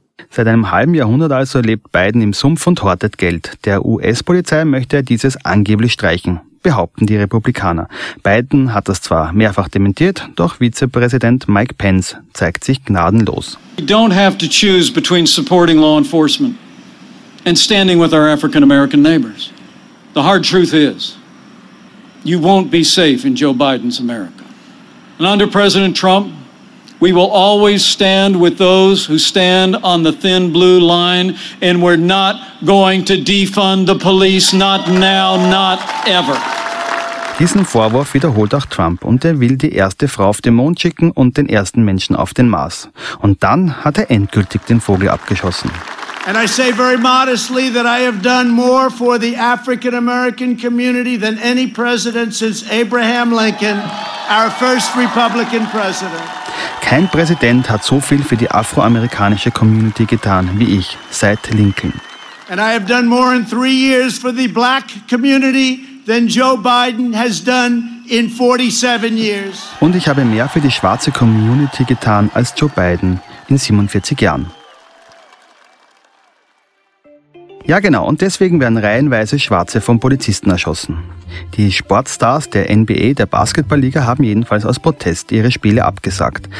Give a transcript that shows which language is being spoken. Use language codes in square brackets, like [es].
[de] Seit einem halben Jahrhundert also lebt Biden im Sumpf und hortet Geld. Der US-Polizei möchte er dieses angeblich streichen. Behaupten die Republikaner. Biden hat das zwar mehrfach dementiert, doch Vizepräsident Mike Pence zeigt sich gnadenlos. [en] We don't have to choose between supporting law enforcement and standing with our African American neighbors. The hard truth is, you won't be safe in Joe Biden's America. And under President Trump, we will always stand with those who stand on the thin blue line, and we're not going to defund the police, not now, not ever. [de] Diesen Vorwurf wiederholt auch Trump und er will die erste Frau auf den Mond schicken und den ersten Menschen auf den Mars. Und dann hat er endgültig den Vogel abgeschossen. [en] And I say very modestly that I have done more for the African American community than any president since Abraham Lincoln, our first Republican president. [de] Kein Präsident hat so viel für die afroamerikanische Community getan wie ich seit Lincoln. [en] And I have done more in 3 years for the black community than Joe Biden has done in 47 years. [de] Und ich habe mehr für die schwarze Community getan als Joe Biden in 47 Jahren. Ja genau, und deswegen werden reihenweise Schwarze von Polizisten erschossen. Die Sportstars der NBA, der Basketballliga, haben jedenfalls aus Protest ihre Spiele abgesagt.